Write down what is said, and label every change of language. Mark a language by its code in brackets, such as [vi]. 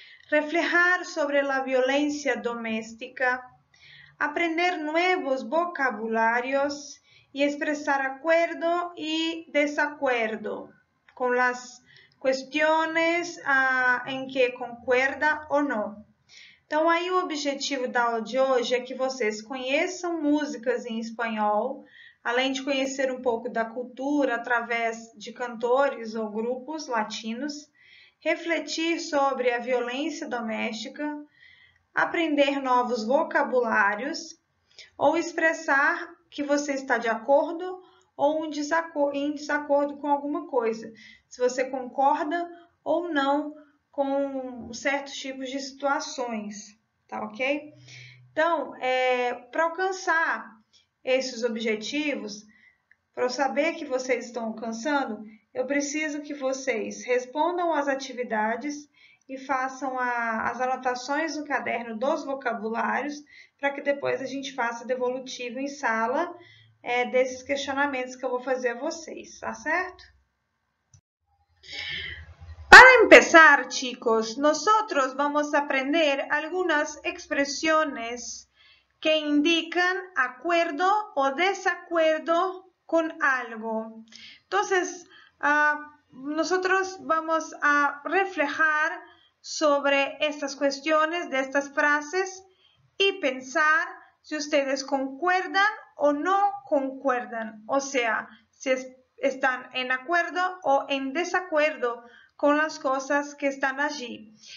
[es] reflejar sobre la violencia doméstica, aprender nuevos vocabularios y expresar acuerdo y desacuerdo con las cuestiones [pt] em que concorda ou não. Então, aí o objetivo da aula de hoje é que vocês conheçam músicas em espanhol, além de conhecer um pouco da cultura através de cantores ou grupos latinos, refletir sobre a violência doméstica, aprender novos vocabulários ou expressar que você está de acordo ou em desacordo com alguma coisa, se você concorda ou não com certos tipos de situações, tá ok? Então, para alcançar esses objetivos, para saber que vocês estão alcançando, eu preciso que vocês respondam às atividades e façam as anotações no caderno dos vocabulários, para que depois a gente faça devolutivo em sala, desses questionamentos que eu vou fazer a vocês, tá certo? [es] Para empezar, chicos, nosotros vamos a aprender algunas expresiones que indican acuerdo o desacuerdo con algo. Entonces, nosotros vamos a reflejar sobre estas cuestiones de estas frases y pensar si ustedes concuerdan o no concuerdan, o sea, si están en acuerdo o en desacuerdo con las cosas que están allí.